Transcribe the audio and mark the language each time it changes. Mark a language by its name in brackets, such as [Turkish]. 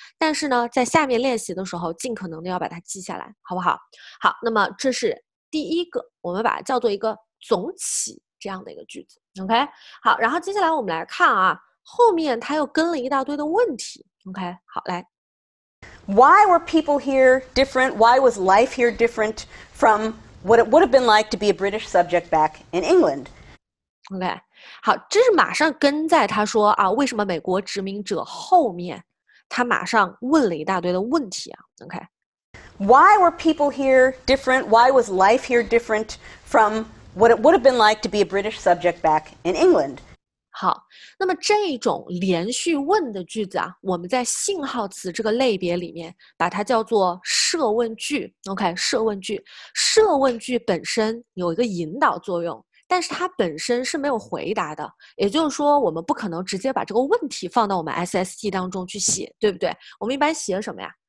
[Chinese] 但是呢，在下面练习的时候，尽可能的要把它记下来，好不好？好，那么这是第一个，我们把它叫做一个总起这样的一个句子。 OK， 好，然后接下来我们来看啊，后面它又跟了一大堆的问题。 OK， 好，来。 [English] Why were people here different? Why was life here different from what it would have been like to be a British subject back in England? [Chinese] OK， 好，这是马上跟在他说啊，为什么美国殖民者后面，他马上问了一大堆的问题啊。 OK， [English] Why were people here different? Why was life here different from what it would have been like to be a British subject back in England? [Chinese] 好，那么这种连续问的句子啊，我们在信号词这个类别里面把它叫做设问句。 OK， 设问句，设问句本身有一个引导作用，但是它本身是没有回答的，也就是说我们不可能直接把这个问题放到我们 SST 当中去写，对不对？我们一般写什么呀？